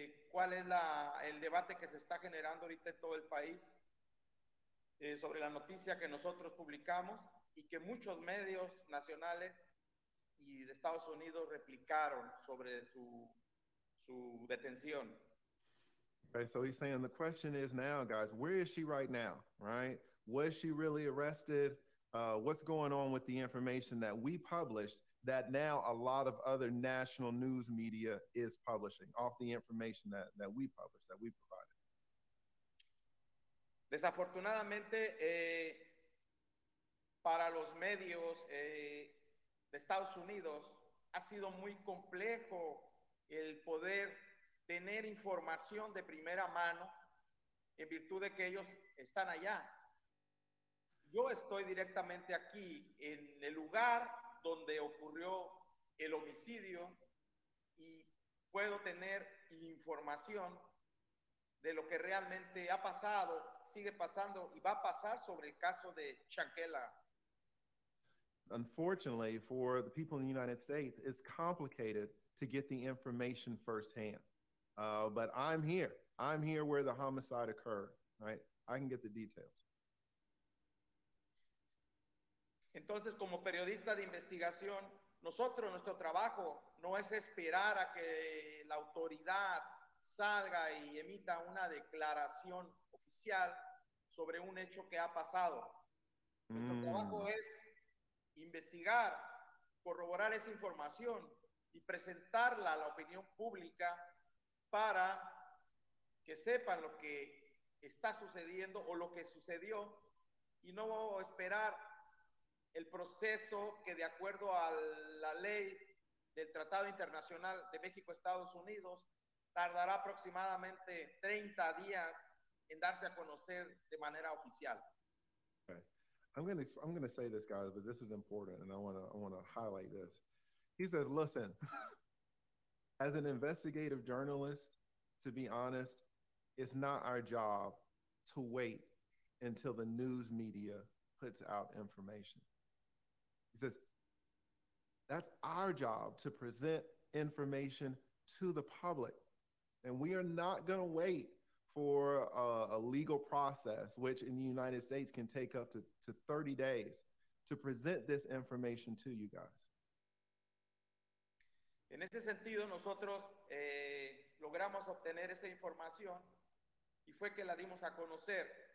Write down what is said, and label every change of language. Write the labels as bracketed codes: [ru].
[es] ¿Cuál es el debate que se está generando ahorita en todo el país sobre la noticia que nosotros publicamos y que muchos medios nacionales y de Estados Unidos replicaron sobre su detención? [en] Okay, so he's saying the question is now, guys, where is she right now, right? Was she really arrested? What's going on with the information that we published that now a lot of other national news media is publishing off the information that we published, that we provided? [es] Desafortunadamente, para los medios de Estados Unidos, ha sido muy complejo el poder tener información de primera mano en virtud de que ellos están allá. Yo estoy directamente aquí en el lugar donde ocurrió el homicidio y puedo tener información de lo que realmente ha pasado, sigue pasando y va a pasar sobre el caso de Shankela. [en] Unfortunately, for the people in the United States, it's complicated to get the information firsthand. But I'm here. I'm here where the homicide occurred, right? I can get the details. [es] Entonces, como periodista de investigación, nosotros, nuestro trabajo no es esperar a que la autoridad salga y emita una declaración oficial sobre un hecho que ha pasado. Nuestro trabajo es investigar, corroborar esa información y presentarla a la opinión pública para que sepan lo que está sucediendo o lo que sucedió y no esperar el proceso que de acuerdo a la ley del Tratado Internacional de México-Estados Unidos tardará aproximadamente 30 días en darse a conocer de manera oficial. [en] I'm going to say this, guys, but this is important, and I want to highlight this. He says, listen, as an investigative journalist, to be honest, it's not our job to wait until the news media puts out information. He says, that's our job to present information to the public, and we are not going to wait for a legal process, which in the United States can take up to 30 days, to present this information to you guys. [es] En ese sentido, nosotros logramos obtener esa información y fue que la dimos a conocer.